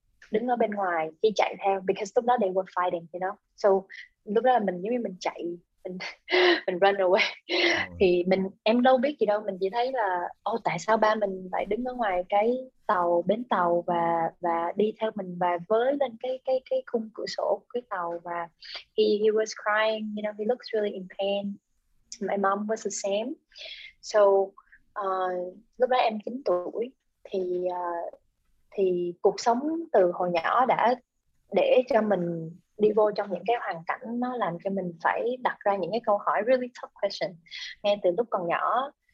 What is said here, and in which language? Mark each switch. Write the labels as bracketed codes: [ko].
[vi] đứng ở bên ngoài khi chạy theo, because lúc đó [en] they were fighting, you know, [vi] so lúc đó là mình giống như mình chạy, mình run away. Thì mình em đâu biết gì đâu, mình chỉ thấy là ô, tại sao ba mình lại đứng ở ngoài cái tàu, bến tàu, và đi theo mình và với lên cái khung cửa sổ của cái tàu. [en] Và he was crying, you know, he looks really in pain. My mom was the same. [vi] So lúc đó em 9 tuổi, thì cuộc sống từ hồi nhỏ đã để cho mình đi vô trong những cái hoàn cảnh nó làm cho mình phải đặt ra những cái câu hỏi [en] really tough question [vi] ngay từ lúc còn nhỏ.